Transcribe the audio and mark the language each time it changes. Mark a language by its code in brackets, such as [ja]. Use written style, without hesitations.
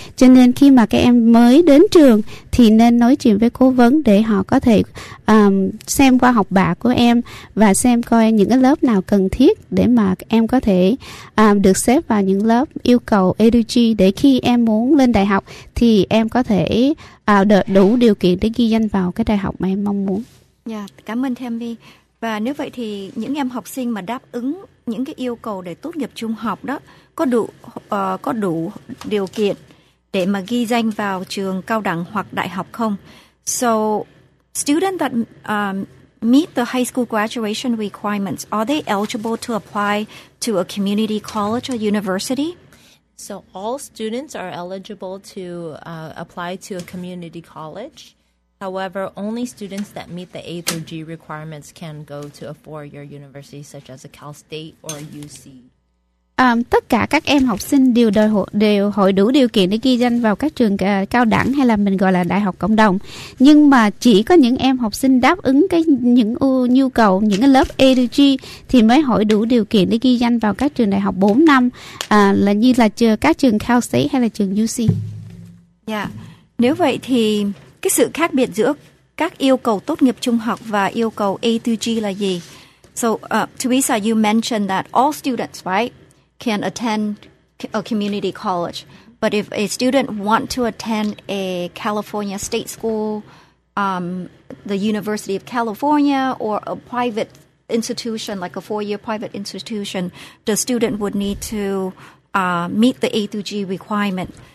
[vi] Cho nên khi mà các em mới đến trường thì nên nói chuyện với cố vấn để họ có thể xem qua học bạ của em và xem coi những cái lớp nào cần thiết để mà em có thể được xếp vào những lớp yêu cầu EduG để khi em muốn lên đại học thì em có thể đủ điều kiện để ghi danh vào cái đại học mà em mong muốn. Dạ, cảm ơn Tammy. Và nếu vậy thì những em học sinh mà đáp ứng những cái yêu cầu để tốt nghiệp trung học đó có đủ điều kiện để mà ghi danh vào trường cao đẳng hoặc đại học không? [en] So, students that meet the high school graduation requirements, are they eligible to apply to a community college or university? So, all students are eligible to apply to a community college. However, only students that meet the A through G requirements can go to a four-year university such as a Cal State or a UC. [vi] Tất cả các em học sinh đều hội đủ điều kiện để ghi danh vào các trường cao đẳng hay là mình gọi là đại học cộng đồng. Nhưng mà chỉ có những em học sinh đáp ứng những nhu cầu, những cái lớp EduG thì mới hội đủ điều kiện để ghi danh vào các trường đại học 4 năm như là các trường Cal State hay là trường UC. Yeah. Nếu vậy thì cái sự khác biệt giữa các yêu cầu tốt nghiệp trung học và yêu cầu EduG là gì? [en] So, Teresa, you mentioned that all students, right, can attend a community college. But if a student want to attend a California state school, the University of California, or a private institution, like a four-year private institution, the student would need to meet the A through G requirement.